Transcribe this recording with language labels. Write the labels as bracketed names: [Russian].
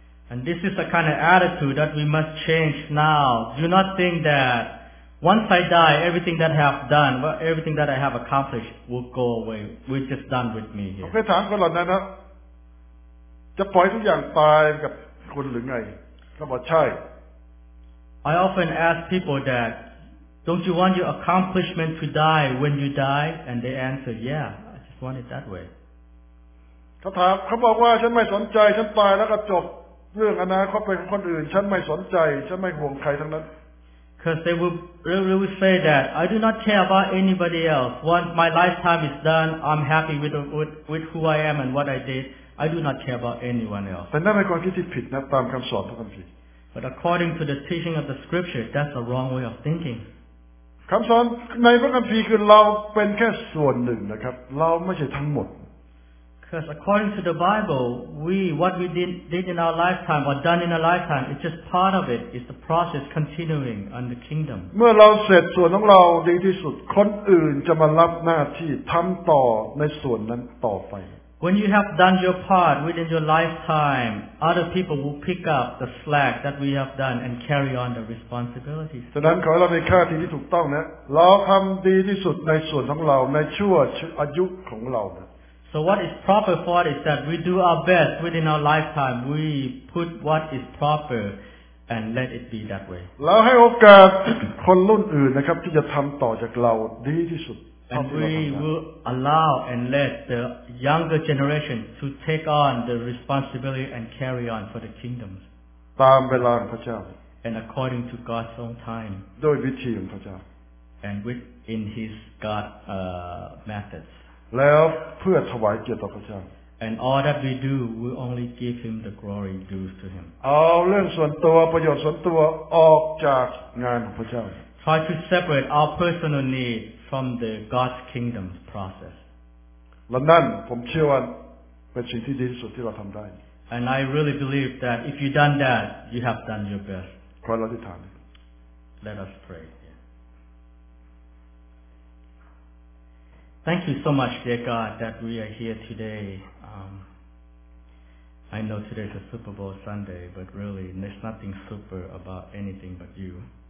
[English] And this is the kind of attitude that we must change now. Do not think that once I die, everything that I have done, everything that I have accomplished will go away. We're just done with me here. [Thai] ผมเคยถามคนเหล่านั้นนะจะปล่อยทุกอย่างตายกับคุณหรือไงเขาบอกใช่ [English] I often ask people that don't you want your accomplishment to die when you die and they answer yeah I just want it that way [Thai] เขาถามเขาบอกว่าฉันไม่สนใจฉันตายแล้วก็จบเรื่องอนาคตเป็นของคนอื่นฉันไม่สนใจฉันไม่ห่วงใครทั้งนั้น [English] Because they would really say that I do not care about anybody else once my lifetime is done I'm happy with who I am and what I didI do not care about anyone else. [Thai] แต่นั่นเป็นความคิดที่ผิดนะตามคำสอนพระคัมภีร์ [English] But according to the teaching of the scripture, that's a wrong way of thinking. [Thai] คำสอนในพระคัมภีร์คือเราเป็นแค่ส่วนหนึ่งนะครับเราไม่ใช่ทั้งหมด [English] Because according to the Bible, what we did in our lifetime or done in our lifetime, it's just part of it. It's the process continuing on the kingdom. [Thai] เมื่อเราเสร็จส่วนของเราดีที่สุดคนอื่นจะมารับหน้าที่ทำต่อในส่วนนั้นต่อไป [English] When you have done your part within your lifetime, other people will pick up the slack that we have done and carry on the responsibilities. [Thai] ฉะนั้นขอให้เรามีค่าที่ที่ถูกต้องนะเราทำดีที่สุดในส่วนของเราในชั่วอายุของเรานะ [English] So what is proper for is that we do our best within our lifetime. We put what is proper and let it be that way. [Thai] เราให้โอกาสคนรุ่นอื่นนะครับที่จะทำต่อจากเราดีที่สุด [English] And we will allow and let the younger generation to take on the responsibility and carry on for the kingdom. [Thai] ตามเวลาพระเจ้า [English] and according to God's own time. [Thai] โดยวิธีของพระเจ้า [English] and with in His God methods. [Thai] แล้วเพื่อถวายเกียรติต่อพระเจ้า [English] and all that we do, we only give Him the glory due to Him. [Thai] เอาเรื่องส่วนตัวประโยชน์ส่วนตัวออกจากงานของพระเจ้า [English] try to separate our personal need from the God's kingdom process. [Thai] และนั่นผมเชื่อว่าเป็นสิ่งที่ดีที่สุดที่เราทำได้ [English] And I really believe that if you've done that, you have done your best. [Thai] ขออธิษฐาน [English] Let us pray. Yeah. Thank you so much, dear God, that we are here today. I know today is a Super Bowl Sunday, but really, there's nothing super about anything but you.